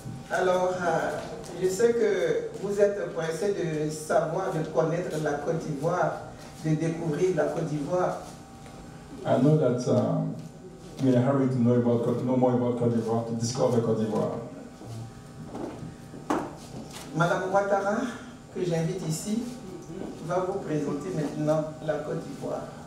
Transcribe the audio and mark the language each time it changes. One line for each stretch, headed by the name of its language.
French: Alors, je sais que vous êtes pressé de savoir, de connaître la Côte d'Ivoire, de découvrir la Côte d'Ivoire.
English: I know that I'm in a hurry to know more about Cote d'Ivoire, to discover Cote d'Ivoire.
French: Madame Ouattara, que j'invite ici, va vous présenter maintenant la Côte d'Ivoire.